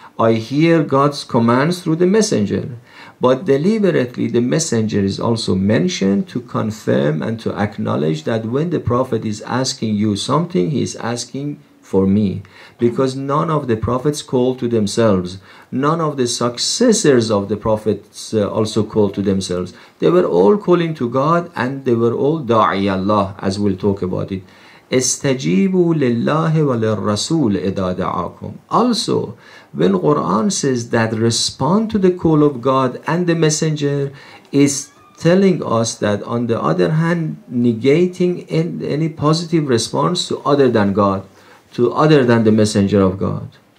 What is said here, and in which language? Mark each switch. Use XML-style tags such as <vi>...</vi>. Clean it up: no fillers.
<en>I hear God's commands through the Messenger. But deliberately, the Messenger is also mentioned to confirm and to acknowledge that when the Prophet is asking you something, he is asking for me, because none of the prophets called to themselves, none of the successors of the prophets also called to themselves. They were all calling to God, and they were all da'i Allah, as we'll talk about it.</en> <ar>استجيبوا لله وللرسول إذا دعاكم.</ar> <en>Also, when Quran says that respond to the call of God and the messenger, is telling us that on the other hand, negating any positive response to other than God, to other than the messenger of God.</en>